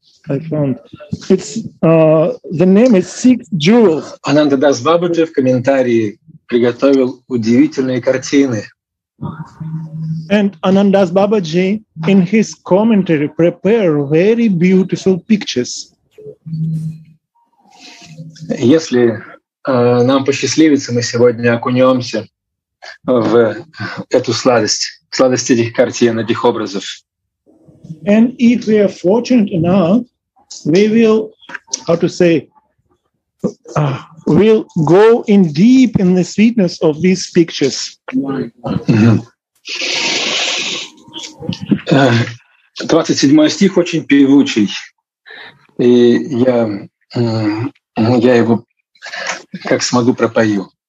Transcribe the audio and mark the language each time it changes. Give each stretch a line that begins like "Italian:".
English: I found it's the name is Six Jewels.
Russian: Ананда Дас Бабаджи в комментарии приготовил удивительные картины.
English: And Ананда Дас Бабаджи in his commentary prepare very beautiful pictures.
Russian: Если нам посчастливится, мы сегодня окунемся в эту сладость, сладость этих картин, этих образов.
English: And if we are fortunate enough, we will, how to say, we'll go in deep in the sweetness of these pictures.
Russian: Двадцать седьмой стих очень певучий, и я его как смогу пропою.